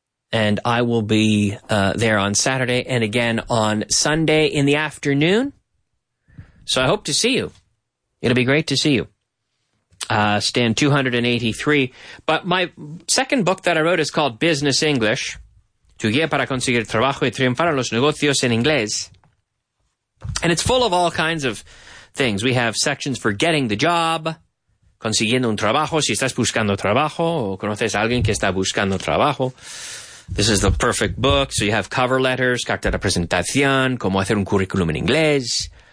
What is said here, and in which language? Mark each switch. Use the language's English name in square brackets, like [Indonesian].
[English] And I will be there on Saturday and again on Sunday in the afternoon. So I hope to see you. It'll be great to see you. Stand 283. But my second book that I wrote is called Business English. [Spanish] Tu guía para conseguir trabajo y triunfar en los negocios en inglés. [English] And it's full of all kinds of things. We have sections for getting the job, [Spanish] consiguiendo un trabajo, si estás buscando trabajo, o conoces a alguien que está buscando trabajo. [English] This is the perfect book. So you have cover letters, [Spanish] carta de presentación, cómo hacer un currículum en inglés.